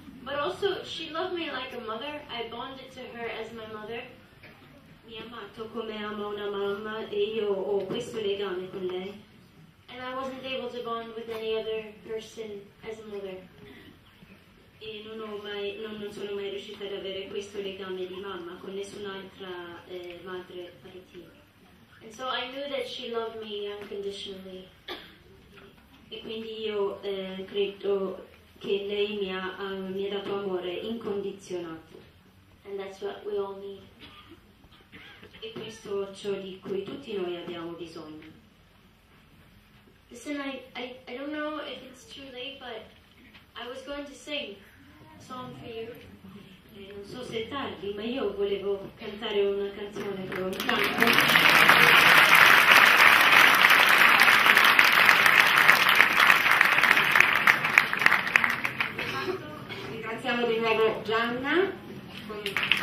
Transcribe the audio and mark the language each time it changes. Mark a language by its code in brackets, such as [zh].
[en] But also, she loved me like a mother. I bonded to her as my mother. [it] Mi ha amato come ama una mamma e io ho questo legame con lei. [en] And I wasn't able to bond with any other person as a mother. [it] E non sono mai riuscita ad avere questo legame di mamma con nessun'altra madre parentale. [en] And so I knew that she loved me unconditionally. [it] E quindi io credo che lei mi ha dato amore incondizionato. [en] And that's what we all need. [it] E questo è ciò di cui tutti noi abbiamo bisogno. [en] Listen, I don't know if it's too late, but I was going to sing a song for you. [it] Non so se è tardi, ma io volevo cantare una canzone per un canto. Ringraziamo di nuovo Gianna.